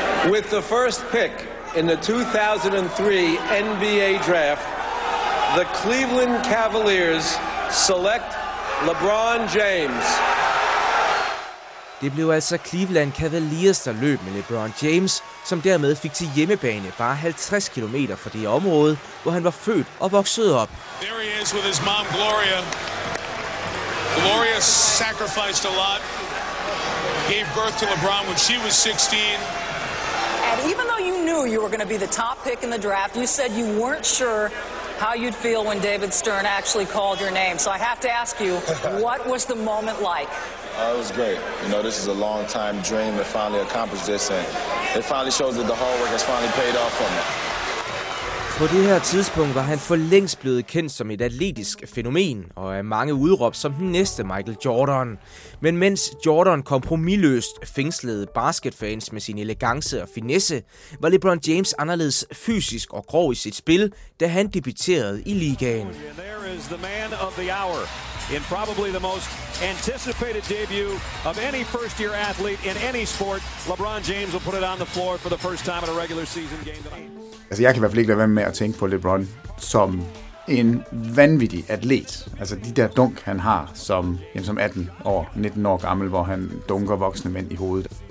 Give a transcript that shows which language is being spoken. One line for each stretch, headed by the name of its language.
English: With the first pick in the 2003 NBA draft, the Cleveland Cavaliers select LeBron James.
Danish: Det blev altså Cleveland Cavaliers, der løb med LeBron James, som dermed fik til hjemmebane bare 50 km fra det område, hvor han var født og vokset op.
English: There he is with his mom, Gloria. Gloria sacrificed a lot. gave birth to LeBron when she was 16. And even though you knew you were going to be the top pick in the draft, you said you weren't sure how you'd feel when David Stern actually called your name. So I have to ask you, what was the moment like? It was great. You know, this is a long time dream to finally accomplish this, and it finally shows that the hard work has finally paid off for me.
Danish: På det her tidspunkt var han for længst blevet kendt som et atletisk fænomen, og af mange udråb som den næste Michael Jordan. Men mens Jordan kompromisløst fængslede basketfans med sin elegance og finesse, var LeBron James anderledes fysisk og grov i sit spil, da han debuterede i ligaen.
English: There is the man of the hour in probably the most anticipated debut of any first year athlete in any sport. LeBron James will put it on the floor for the first time in a regular season game tonight.
Danish: Altså, jeg kan i hvert fald ikke lade være med at tænke på LeBron som en vanvittig atlet. Altså, de der dunk, han har som, jamen, som 18 år, 19 år gammel, hvor han dunker voksne mænd i hovedet.